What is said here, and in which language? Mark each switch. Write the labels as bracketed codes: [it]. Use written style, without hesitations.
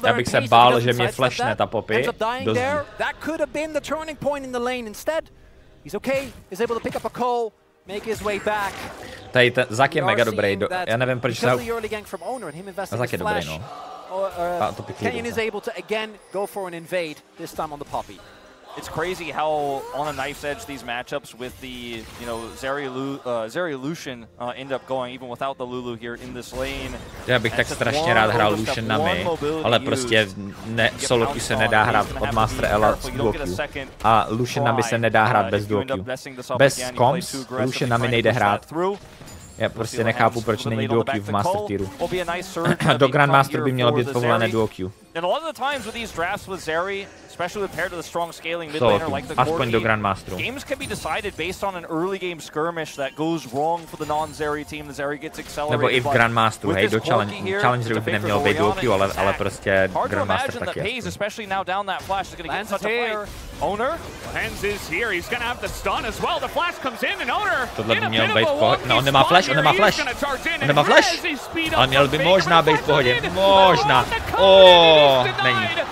[en] there. [cs] Já bych se bál, že mě flashne ta Poppy. [en] That could have been the turning point in the lane. Instead, he's okay. He's able to pick up a call, make his way back. [cs] Tady ten Zak je mega dobrý. Já nevím proč. Zak je dobrý, no. [en] Canyon is able to again go for an invade, this time on the Poppy. It's crazy how on a knife's edge these matchups with the, you know, Zeri Lucian end up going even without the Lulu here in this lane. [cs] Já bych tak strašně rád hrál Lucian na mě, ale prostě ne, solo queue se nedá hrát od Master Ela s duo queue. A Lucian na mě se nedá hrát bez duo queue. Bez comps Lucian na mě nejde hrát. Já prostě nechápu, proč není duo queue v Master Tieru. Do Grandmaster by mělo být povolené duo queue. [en] Especially with paired to the strong scaling mid laner like the Grandmaster. Games can be decided based on an early game skirmish that goes wrong for the non-Zeri team. The Zeri gets accelerated. [cs] Nebo i v Grandmasteru, hej, do challenge room by nemělo být duo queue, ale prostě Grandmaster taky. [en] Hard to imagine that especially now down that flash, is going to get such a player. Owner? Lens is here, he's going to have the stun as well. The flash comes in and Owner in a bit of a walk. [cs] No, on nemá flash. On nemá flash. On měl by možná být v pohodě. Možná. Oh, není.